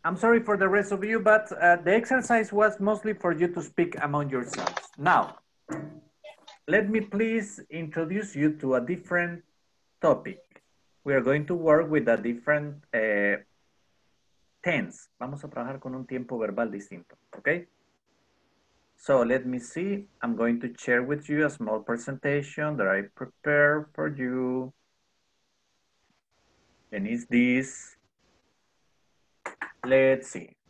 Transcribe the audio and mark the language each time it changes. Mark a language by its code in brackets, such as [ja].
[en] I'm sorry for the rest of you, but the exercise was mostly for you to speak among yourselves. Now, let me please introduce you to a different topic. We are going to work with a different tense. [es] Vamos a trabajar con un tiempo verbal distinto, okay? [en] So let me see, I'm going to share with you a small presentation that I prepared for you. And it's this, let's see.